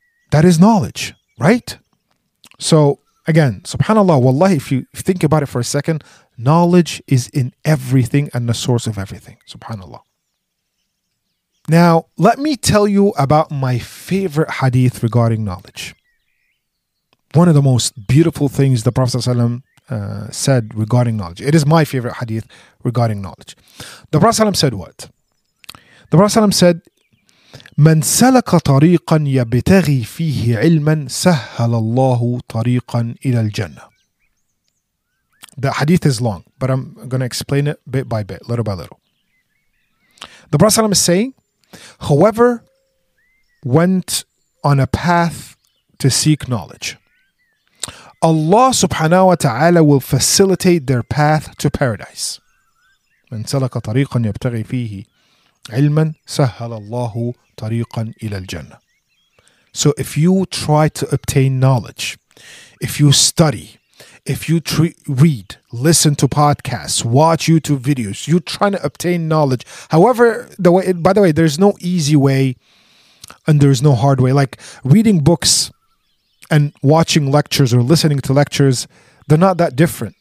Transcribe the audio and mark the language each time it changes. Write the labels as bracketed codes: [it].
[en] That is knowledge, right? So again, subhanAllah, wallahi, if you think about it for a second, knowledge is in everything and the source of everything, subhanAllah. Now, let me tell you about my favorite hadith regarding knowledge. One of the most beautiful things the Prophet ﷺ said regarding knowledge. It is my favorite hadith regarding knowledge. The Prophet ﷺ said what? The Prophet ﷺ said, [ar] "من سلك طريقا يبتغي فيه علما سهل الله طريقا إلى الجنة." [en] The hadith is long, but I'm going to explain it bit by bit, little by little. The Prophet ﷺ is saying, "Whoever went on a path to seek knowledge, Allah subhanahu wa ta'ala will facilitate their path to paradise." [ar] من سلك طريقا يبتغي فيه علما سهل الله طريقا إلى الجنة. [en] So if you try to obtain knowledge, if you study, if you read, listen to podcasts, watch YouTube videos, you're trying to obtain knowledge. However, by the way, there's no easy way and there's no hard way. Like reading books and watching lectures or listening to lectures, they're not that different.